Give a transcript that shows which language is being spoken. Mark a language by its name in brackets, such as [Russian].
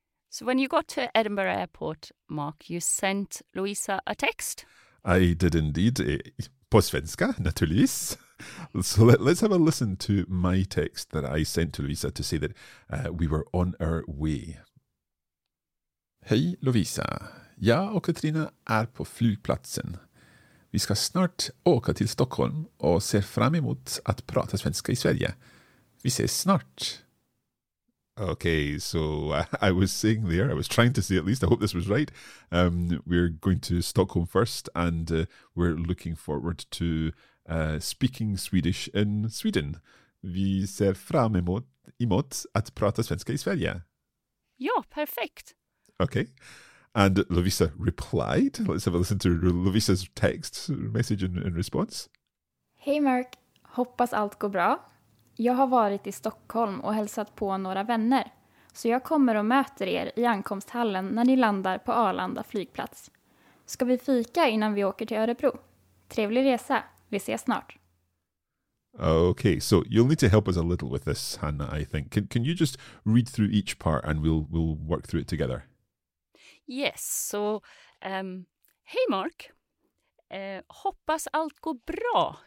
[English] So when you got to Edinburgh Airport, Mark, you sent Lovisa a text. I did indeed. [Swedish] På svenska, naturligtvis. [English] So let's have a listen to my text that I sent to Lovisa to say that we were on our way. [Swedish] Hej Lovisa, jag och Katrina är på flygplatsen. Vi ska snart åka till Stockholm och ser fram emot att prata svenska i Sverige. Vi ses snart. [English] Okay, so I was saying there, I was trying to say at least, I hope this was right. We're going to Stockholm first and we're looking forward to speaking Swedish in Sweden. [Swedish] Vi ser fram emot att prata svenska i Sverige. Ja, perfekt. [English] Okay, and Lovisa replied. Let's have a listen to Lovisa's text message in response. [Swedish] Hej Mark, hoppas allt går bra. Jag har varit i Stockholm och hälsat på några vänner, så jag kommer och möter er i ankomsthallen när ni landar på Arlanda flygplats. Ska vi fika innan vi åker till Örebro? Trevlig resa. Vi ses snart. [English] Okay, so you'll need to help us a little with this, Hannah, I think. Can you just read through each part and we'll work through it together? Yes, so, [Swedish] hey Mark, hoppas allt går bra.